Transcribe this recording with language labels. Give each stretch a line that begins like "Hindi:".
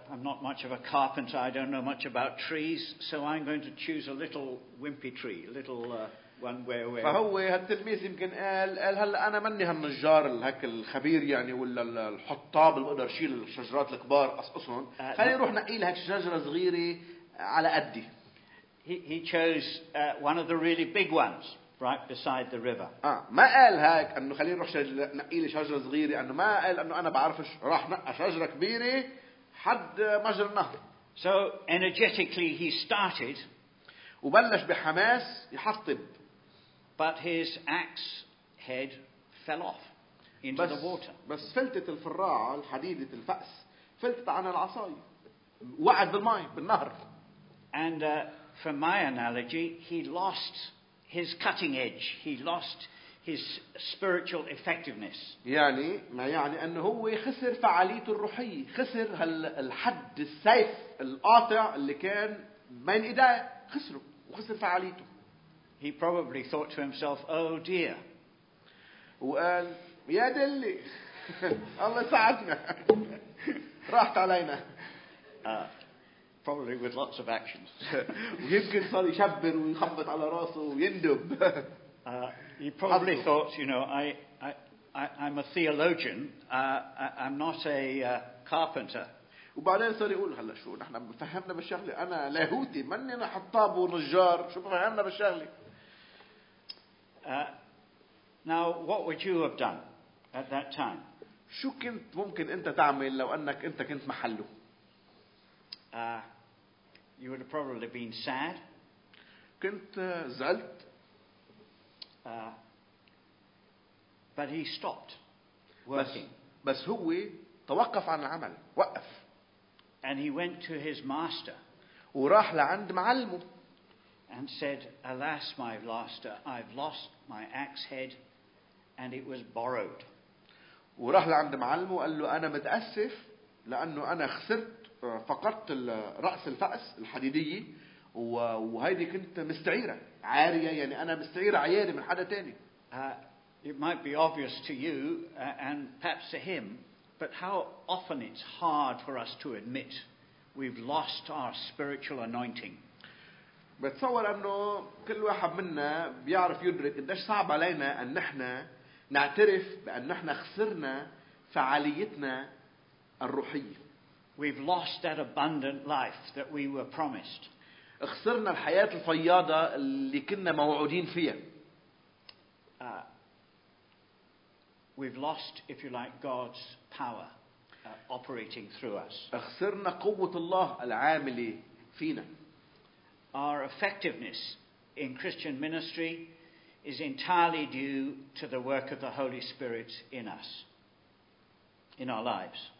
English: I'm not much of a carpenter. I don't know much about trees. So I'm going to choose a little wimpy tree, a little one where."
Arabic: فهو هالتلميذ يمكن قال هلا أنا مني هالنجار هك الخبير يعني ولا الحطاب اللي بقدر شيل الشجرات الكبار أصلاً. خلي نروح نقيل هك شجرة صغيرة على قدي.
English: He chose one of the really big ones right beside the river.
Arabic: ما قال هيك انه خلينا نروح نقيل شجره صغيره انه ما قال انه انا بعرفش راح نقى شجره كبيره حد مجرى النهر.
English: So energetically he started
Arabic: وبلش بحماس يحطب.
English: But his axe head fell off into the water.
Arabic: بس فلتت الفراعه الحديده الفأس فلتت عن العصاي وقعت بالماي بالنهر.
English: And from my analogy he lost his cutting edge, he lost his spiritual effectiveness.
Arabic: يعني ما يعني أنه هو خسر فعاليته الروحية، خسر هالحد السيف القاطع اللي كان بين إيديه، خسره وخسر فعاليته.
English: He probably thought to himself, "Oh dear."
Arabic: وقال يا دلي الله ساعدنا راحت علينا.
English: Probably with lots of actions.
Arabic: يمكن صار يشبر ويخبط على راسه ويندب.
English: He probably thought, you know, I'm a theologian. I'm not a carpenter.
Arabic: وبعدين صار يقول هلا شو نحن بفهمنا بالشغلة أنا لاهوتي مني أنا حطاب ونجار شو بفهمنا بالشغلة.
English: Now what would you have done at that time?
Arabic: شو كنت ممكن أنت تعمل لو أنك أنت كنت محله؟
English: You would have probably been sad.
Arabic: كنت زعلت.
English: But he stopped working.
Arabic: بس هو توقف عن العمل. وقف.
English: And he went to his master.
Arabic: وراح لعند معلمه.
English: And said, "Alas, my master, I've lost my axe head, and it was borrowed."
Arabic: وراح لعند معلمه وقال له أنا متأسف لأنه أنا خسرت فقدت رأس الفأس الحديدية وهذه كنت مستعيرة عارية يعني أنا مستعيرة عيارة من حدا تاني.
English: It might be obvious to you and perhaps to him, but how often it's hard for us to admit we've lost our spiritual anointing.
Arabic: بتصور أنه كل واحد منا بيعرف يدرك قديش صعب علينا أن نحن نعترف بأن نحن خسرنا فعاليتنا الروحية.
English: We've lost that abundant life that we were promised.
Arabic: خسرنا الحياة الفياضة اللي كنا موعودين فيها.
English: We've lost, if you like, God's power operating through us.
Arabic: خسرنا قوة الله العاملة فينا.
English: Our effectiveness in Christian ministry is entirely due to the work of the Holy Spirit in us, in our lives.